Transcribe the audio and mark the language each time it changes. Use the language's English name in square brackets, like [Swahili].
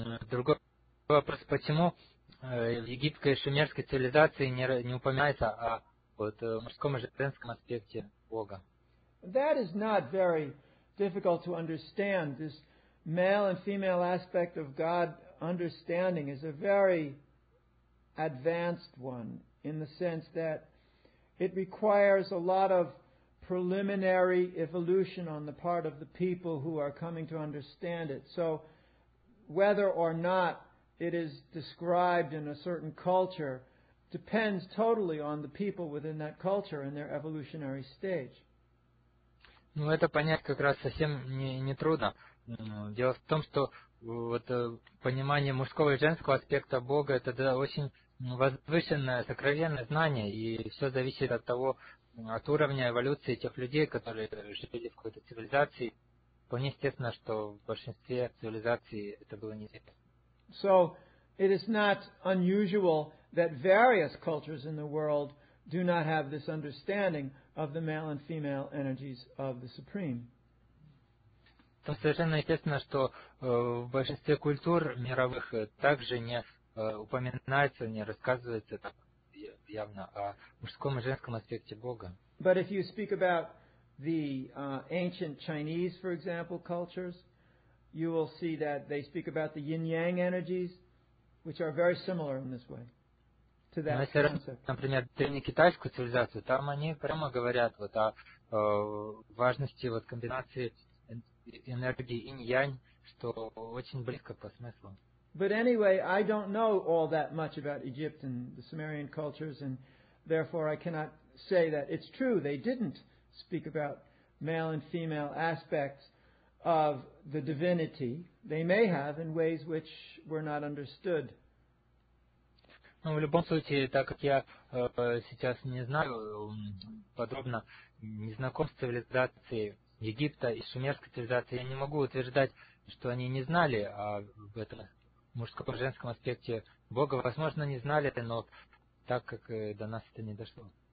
[Russian] Другой вопрос, почему в египетской и шумерской цивилизации не упоминается о мужском и женском аспекте Бога? [English] That is not very difficult to understand. This male and female aspect of God understanding is a very advanced one in the sense that it requires a lot of preliminary evolution on the part of the people who are coming to understand it. So whether or not it is described in a certain culture depends totally on the people within that culture and their evolutionary stage. [Russian] Ну, это понять как раз совсем не трудно. Дело в том, что вот понимание мужского и женского аспекта Бога, это да, очень возвышенное, сокровенное знание, и все зависит от того, от уровня эволюции тех людей, которые жили в какой-то цивилизации. Вполне естественно, что в большинстве цивилизаций это было не так. [English] So, it is not unusual that various cultures in the world do not have this understanding of the male and female energies of the Supreme. [Russian] То совершенно естественно, что в большинстве культур мировых также не упоминается, не рассказывается так явно о мужском и женском аспекте Бога. [English] But if you speak about the ancient Chinese, for example, cultures, you will see that they speak about the yin-yang energies, which are very similar in this way to that concept. [Russian] Например, древнекитайскую цивилизацию, там они прямо говорят вот о важности вот комбинации энергии инь-янь, что очень близко по смыслу. [English] But anyway, I don't know all that much about Egypt and the Sumerian cultures, and therefore I cannot say that it's true. They didn't speak about male and female aspects of the divinity. They may have in ways which were not understood. [Russian] Ну, в любом случае, так как я сейчас не знаю подробно, не знаком с цивилизацией Египта и шумерской цивилизации, я не могу утверждать, что они не знали об этом мужском и женском аспекте Бога. Возможно, не знали, но так как до нас это не дошло.